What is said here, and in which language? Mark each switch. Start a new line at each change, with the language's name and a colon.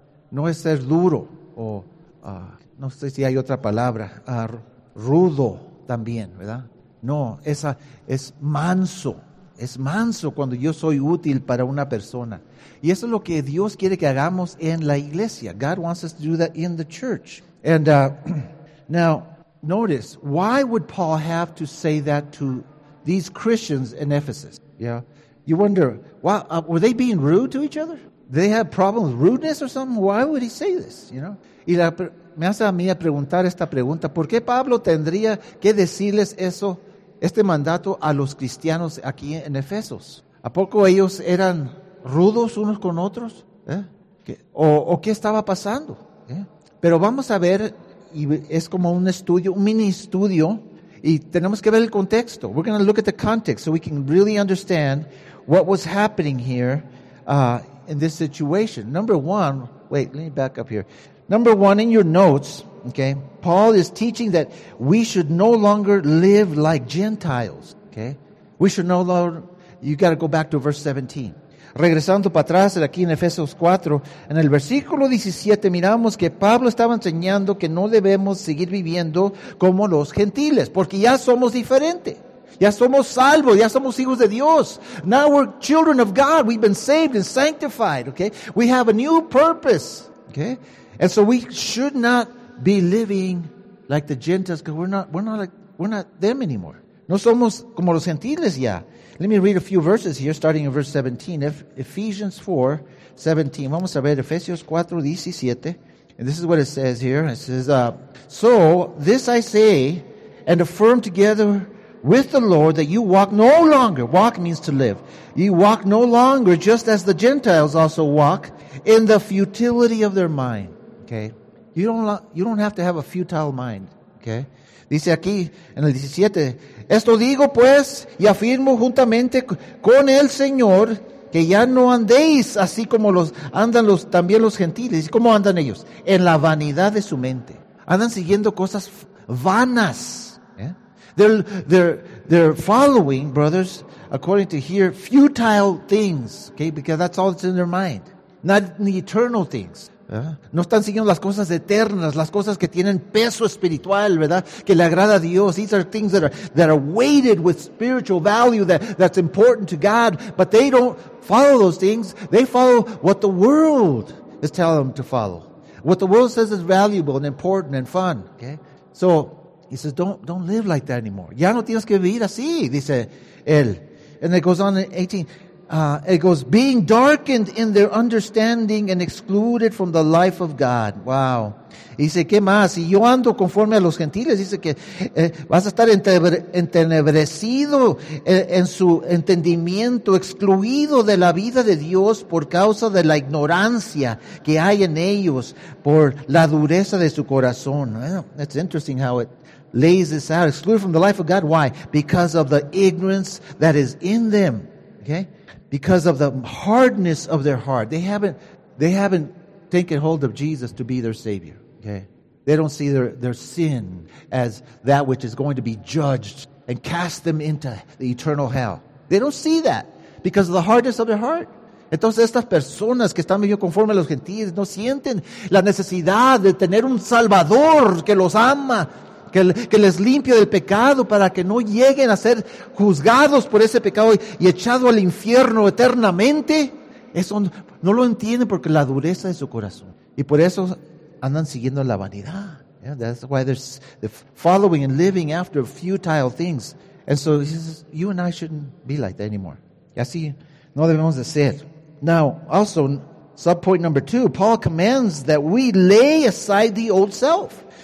Spanish: No es ser duro o, no sé si hay otra palabra, rudo también, ¿verdad? No, esa es manso cuando yo soy útil para una persona. Y eso es lo que Dios quiere que hagamos en la iglesia.
English: God wants us to do that in the church. And now, notice, why would Paul have to say that to these Christians in Ephesus? Yeah, you wonder, why, were they being rude to each other? Did they have problems with rudeness or something? Why would he say this, you know?
Spanish: Y me hace a mí a preguntar esta pregunta, ¿por qué Pablo tendría que decirles eso, este mandato a los cristianos aquí en Efesos? ¿A poco ellos eran rudos unos con otros? ¿O qué estaba pasando? Pero vamos a ver, y es como un estudio, un mini estudio, y tenemos que ver el contexto.
English: We're going to look at the context so we can really understand what was happening here in this situation. Number one, wait, let me back up here. Number one, in your notes, okay, Paul is teaching that we should no longer live like Gentiles, okay? We should no longer, you got to go back to verse 17.
Spanish: Regresando para atrás, aquí en Efesios 4, en el versículo 17, miramos que Pablo estaba enseñando que no debemos seguir viviendo como los gentiles, porque ya somos diferentes. Ya somos salvos, ya somos hijos de Dios.
English: Now we're children of God. We've been saved and sanctified, okay? We have a new purpose, okay? And so we should not be living like the Gentiles, because we're not them anymore.
Spanish: No somos como los gentiles ya.
English: Let me read a few verses here, starting in verse 17.
Spanish: Ephesians 4, 17. Vamos a ver Efesios 4, 17.
English: And this is what it says here. It says, so this I say and affirm together with the Lord that you walk no longer. Walk means to live. You walk no longer just as the Gentiles also walk in the futility of their mind. Okay, you don't have to have a futile mind.
Spanish: Okay, dice aquí en el 17, esto digo pues y afirmo juntamente con el Señor que ya no andéis así como andan también los gentiles. ¿Cómo andan ellos? En la vanidad de su mente. Andan siguiendo cosas vanas. Yeah?
English: They're following, brothers, according to here, futile things. Okay, because that's all that's in their mind, not the eternal things.
Spanish: No están siguiendo las cosas eternas, las cosas que tienen peso espiritual, ¿verdad? Que le agrada a Dios.
English: These are things that are weighted with spiritual value that's important to God. But they don't follow those things. They follow what the world is telling them to follow. What the world says is valuable and important and fun. Okay? So, he says, don't live like that anymore.
Spanish: Ya no tienes que vivir así, dice él.
English: And it goes on in 18. It goes, being darkened in their understanding and excluded from the life of God. Wow.
Spanish: Dice, ¿qué más? Si yo ando conforme a los gentiles, dice que vas a estar entenebrecido en su entendimiento, excluido de la vida de Dios por causa de la ignorancia que hay en ellos, por la dureza de su corazón.
English: Well, that's interesting how it lays this out. Excluded from the life of God. Why? Because of the ignorance that is in them. Okay? Because of the hardness of their heart. They haven't taken hold of Jesus to be their Savior. Okay? They don't see their sin as that which is going to be judged and cast them into the eternal hell. They don't see that because of the hardness of their heart.
Spanish: Entonces estas personas que están viviendo conforme a los gentiles no sienten la necesidad de tener un Salvador que los ama, que les limpie del pecado para que no lleguen a ser juzgados por ese pecado y echado al infierno eternamente. Eso no lo entienden porque la dureza de su corazón. Y por eso andan siguiendo la vanidad.
English: Yeah, that's why they're following and living after futile things. And so he says, you and I shouldn't be like that anymore.
Spanish: Y así no debemos de ser.
English: Now, also, subpoint number two, Paul commands that we lay aside the old self.